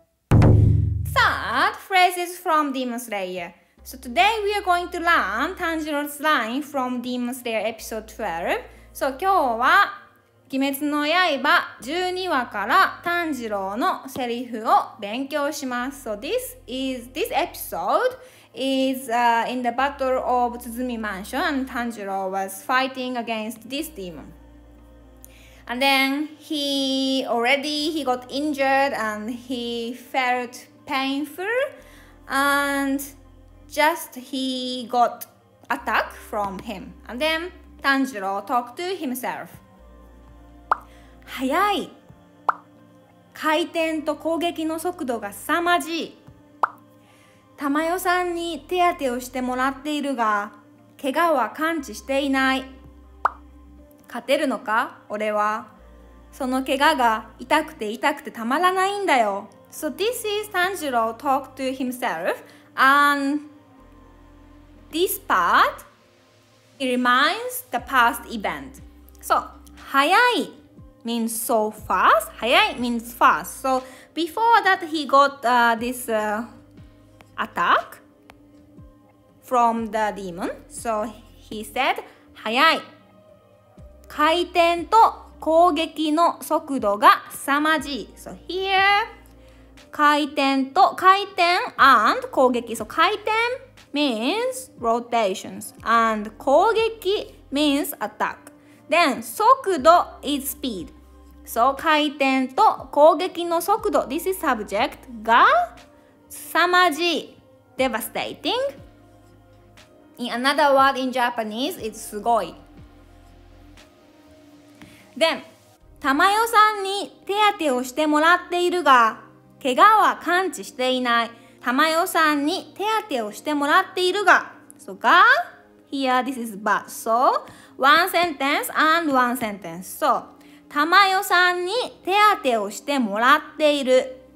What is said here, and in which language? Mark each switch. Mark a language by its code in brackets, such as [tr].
[en] Third phrase is from Demon Slayer. So today we are going to learn Tanjiro's line from Demon Slayer episode 12. So [ja] 今日は、鬼滅の刃12話から炭治郎のセリフを勉強します。 [en] So this episode is in the battle of Tsuzumi Mansion and Tanjiro was fighting against this demon. And then he got injured and he felt painful and just he got attack from him. And then Tanjiro talked to himself. [ja] 早い。回転と攻撃の速度が凄まじい。珠代さんに手当てをしてもらっているが、怪我は完治していない。勝てるのか、俺は。その怪我が痛くて痛くてたまらないんだよ。 [en] So this is Tanjiro talk to himself, and this part reminds the past event. So, 早い。Means so fast. 早い means fast. So before that, he got this attack from the demon. So he said, [ja] 早い。回転と攻撃の速度が凄まじい。 [en] So here, 回転 and 攻撃。So 回転 means rotations and 攻撃 means attack. Then 速度 is speed. So, [ja] 回転と攻撃の速度 [en] This is subject が凄まじい Devastating In another word in Japanese, it's すごい [ja] Then 珠代さんに手当てをしてもらっているが怪我は完治していない珠代さんに手当てをしてもらっているが [en] So, が Here, this is but So, one sentence and one sentence So, [ja] 珠代さんに手当てをしてもらっている。